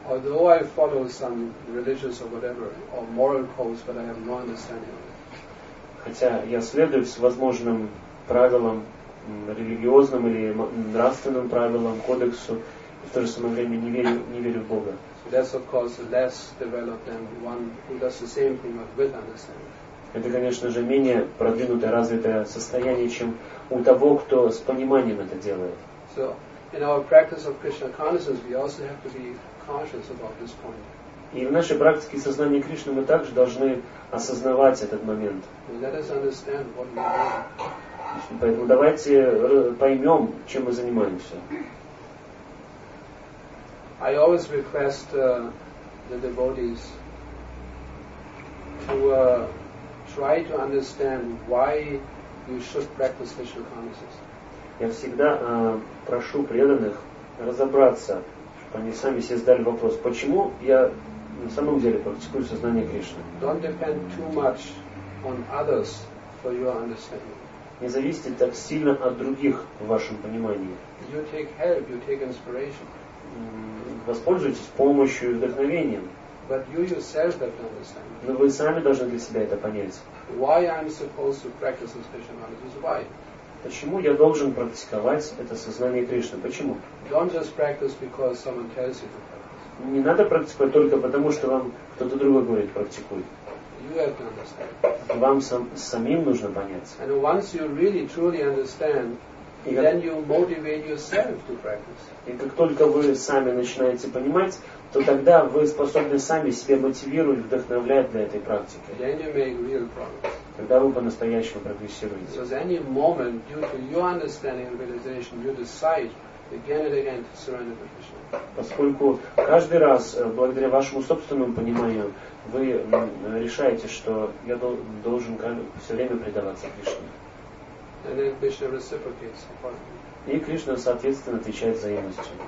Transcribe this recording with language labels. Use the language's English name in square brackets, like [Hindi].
[English] Although I follow some religious or whatever, or moral codes, but I have no understanding of it. [Russian] Хотя я следую всевозможным правилам, религиозным или нравственным правилам, кодексу, и в то же самое время не верю в Бога. [English] So that's, of course, less developed than one who does the same thing but with understanding. [Russian] Это, конечно же, менее продвинутое, развитое состояние, чем у того, кто с пониманием это делает. [English] So, in our practice of Krishna consciousness, we also have to be conscious about this point. [Russian] И в нашей практике сознания Кришны мы также должны осознавать этот момент. [English] Let us understand what we mean. [Russian] Поэтому давайте поймем, чем мы занимаемся. [English] I always request the devotees to try to understand why you should practice Krishna consciousness. [Russian] Я всегда прошу преданных разобраться, чтобы они сами себе задали вопрос, почему я на самом деле практикую сознание Кришны. [English] Don't depend too much on others for your understanding. [Russian] Не зависите так сильно от других в вашем понимании. [English] You take help, you take inspiration. [Russian] Воспользуйтесь помощью и вдохновением. [English] But you yourself have to understand. [Russian] Но вы сами должны для себя это понять. [English] Why I'm supposed to practice this Krishna consciousness? Why? [Russian] Почему я должен практиковать это сознание Кришны? Почему? [English] Don't just practice because someone tells you to practice. [Russian] Не надо практиковать только потому, что вам кто-то другой говорит, практикуй. [English] You have to understand. [Russian] Вам самим нужно понять. [English] And once you really truly understand, И then you motivate yourself to practice. [Russian] И как только вы сами начинаете понимать, то тогда вы способны сами себя мотивировать, вдохновлять для этой практики. [English] Then you make real progress. [Russian] Тогда вы по-настоящему прогрессируете. [English] So at any moment, due to your understanding and realization, you decide again and again to surrender to Krishna. [Russian] Поскольку каждый раз, благодаря вашему собственному пониманию, вы решаете, что я должен все время предаваться Кришне. [English] And then Krishna reciprocates accordingly. [Russian] И Кришна, соответственно, отвечает взаимностью.